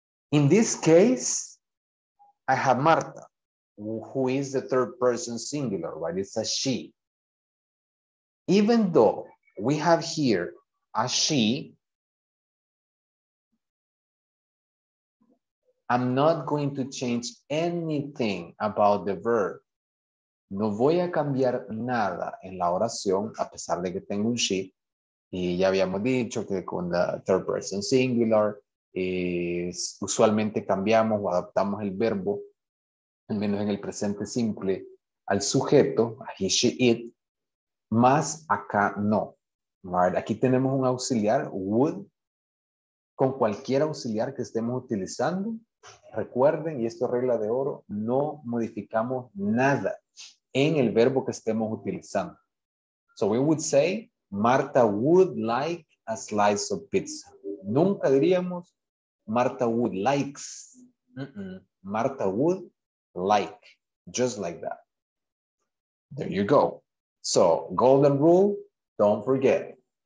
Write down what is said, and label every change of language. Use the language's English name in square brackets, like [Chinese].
[English] In this case, I have Marta, who is the third person singular, right? It's a she. Even though we have here a she, I'm not going to change anything about the verb. [Spanish] No voy a cambiar nada en la oración, a pesar de que tengo un she. Y ya habíamos dicho que con la [English] third person singular, [Spanish] usualmente cambiamos o adaptamos el verbo, al menos en el presente simple, al sujeto, a he, she, it, más acá no. [English] Right? [Spanish] Aquí tenemos un auxiliar, would, con cualquier auxiliar que estemos utilizando. Recuerden, y esto es regla de oro, no modificamos nada en el verbo que estemos utilizando. [English] So we would say, Marta would like a slice of pizza. [Spanish] Nunca diríamos, Marta [English] would likes. Marta would like, just like that. There you go. So, golden rule, don't forget.